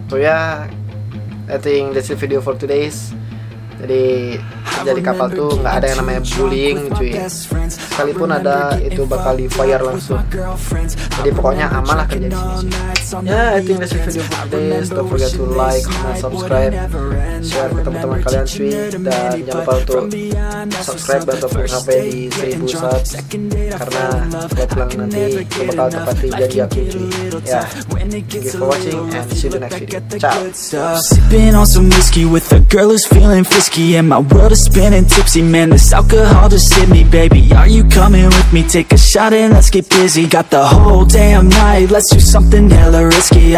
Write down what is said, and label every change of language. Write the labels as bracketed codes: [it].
[en] So ya, yeah, I think that's the video for today. [id] Jadi jadi kapal tuh nggak ada yang namanya bullying cuy. Sekalipun ada, itu bakal di fire langsung. Jadi pokoknya aman lah kerja di sini. [en] Ya, yeah, I think that's the video for today. Don't forget to like, comment, subscribe, [id] share ke teman-teman kalian cuy. Dan jangan lupa untuk subscribe ataupun sampai di 1000 subs, karena kebetulan nanti aku bakal tepati janji aku cuy. [en] Ya, thank you for watching and see you next video. Ciao. Sipping on some whiskey with a girl who's feeling frisky, and my world is spinning tipsy. Man, this alcohol just hit me, baby. Are you coming with me? Take a shot and let's get busy. Got the whole damn night, let's do something hella risky.